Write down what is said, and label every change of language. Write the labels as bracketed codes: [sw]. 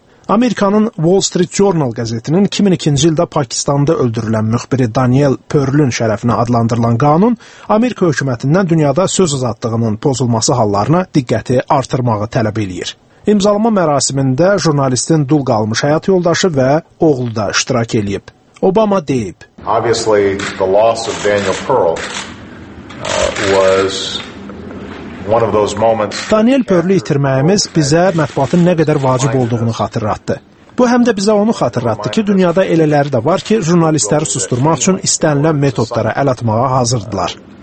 [az] Amerikanın Wall Street Journal qəzetinin 2002-ci ildə Pakistanda öldürülən müxbiri Daniel Pearl-ün şərəfinə adlandırılan qanun Amerika hökumətindən dünyada söz azadlığının pozulması hallarına diqqəti artırmağı tələb eləyir. İmzalama mərasimində jurnalistin dul qalmış həyat yoldaşı və oğlu da iştirak eləyib. Obama deyib. [en] Obviously, the loss of Daniel Pearl was one of those moments. [az] Daniel Pearl-ü itirməyimiz bizə mətbuatın nə qədər vacib olduğunu xatırlatdı. Bu həm də bizə onu xatırlatdı ki, dünyada elələri də var ki, jurnalistləri susturmaq üçün istənilən metodlara əl atmağa hazırdılar.